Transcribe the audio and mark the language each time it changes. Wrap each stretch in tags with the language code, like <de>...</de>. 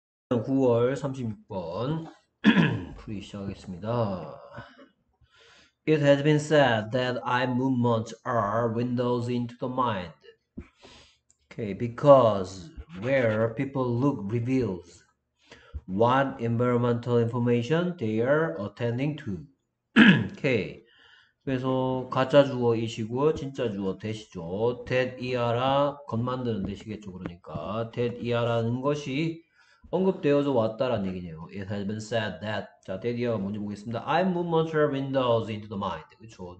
<ko>9월 36번 풀이 시작하겠습니다.</ko> <en>It has been said that eye movements are windows into the mind. Okay, because where people look reveals what environmental information they are attending to. Okay.</en> <ko>그래서 가짜 주어이시고 진짜 주어 되시죠. That 이하라 것 만드는 되시겠죠. 그러니까 that 이하라는 것이 언급되어져 왔다라는 얘기네요.</ko> <en>It has been said that.</en> <ko>자, 드디어 뭔지 보겠습니다.</ko> <en>Eye movements are windows into the mind. 그쵸.</en>